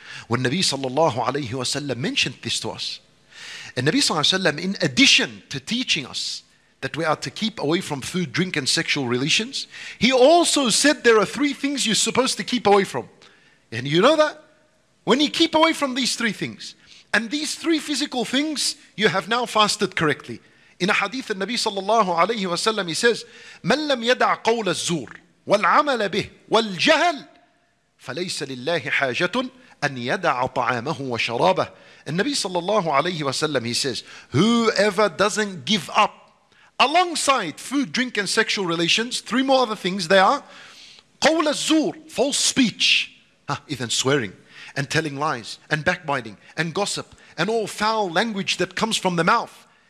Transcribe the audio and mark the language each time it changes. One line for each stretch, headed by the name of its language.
English: When Nabi sallallahu alayhi wa sallam mentioned this to us, and Nabi sallallahu alayhi wa sallam, in addition to teaching us that we are to keep away from food, drink, and sexual relations, he also said there are three things you're supposed to keep away from. And you know that? When you keep away from these three things, and these three physical things, you have now fasted correctly. In a hadith of Nabi sallallahu alayhi wa sallam, he says,
Arabic: مَنْ لَمْ يَدَعْ قَوْلَ الزُّورِ وَالْعَمَلَ بِهِ وَالْجَهَلِ فَلَيْسَ لِلَّهِ حَاجَةٌ أَنْ يَدَعْ طَعَامَهُ وَشَرَابَهُ.
English: And Nabi sallallahu alayhi wa sallam, he says, whoever doesn't give up alongside food, drink, and sexual relations, three more other things, they are qawla zur, false speech, even swearing and telling lies and backbiting and gossip and all foul language that comes from the mouth.